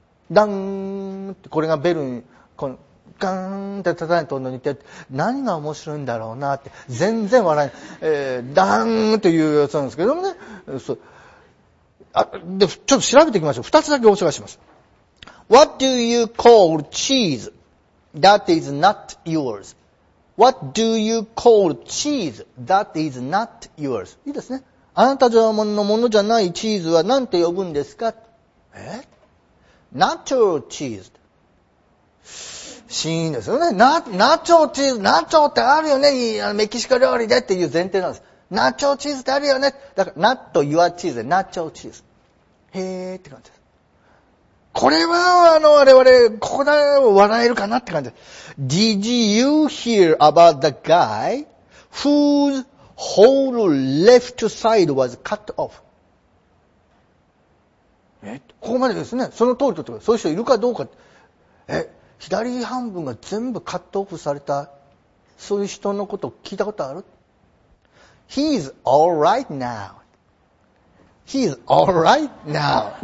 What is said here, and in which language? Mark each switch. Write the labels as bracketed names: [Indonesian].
[Japanese] ダングって、これがベルに、このガーンって叩いて飛んでいて、何が面白いんだろうなって、全然笑えない。ダングっていうやつなんですけどもね。そう、で、ちょっと調べていきましょう。二つだけお伝えします。 [English] What do you call cheese that is not yours? What do you call cheese that is not yours? [Japanese] いいですね。あなたのものじゃないチーズは何て呼ぶんですか? え? [English] Natural cheese。 [Japanese] シーンですよね。 [English] Natural cheese、Natural [Japanese] ってあるよね。メキシコ料理でっていう前提なんです。 [English] Natural cheese [Japanese] ってあるよね。だから、 [English] Not your cheese、Natural cheese。 [Japanese] へーって感じです。これは我々ここだ笑えるかなって感じです。 [English] Did you hear about the guy whose whole left side was cut off? [Japanese] ここまでですね。その通りとってそういう人いるかどうか。左半分が全部カットオフされたそういう人のことを聞いたことある ？ [English] He's all right now. He's alright now.